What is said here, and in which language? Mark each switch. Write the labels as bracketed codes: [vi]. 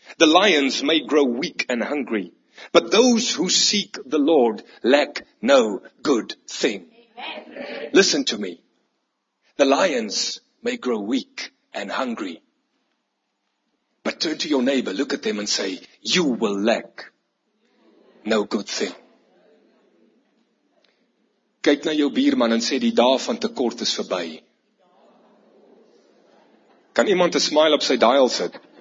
[en] The lions may grow weak and hungry, but those who seek the Lord lack no good thing. Amen. Listen to me. The lions may grow weak and hungry, but turn to your neighbor, look at them and say, you will lack no good thing. [af] Kijk naar jou buurman en sê, die dag van tekort is verby. Kan iemand 'n smile op sy dial sit?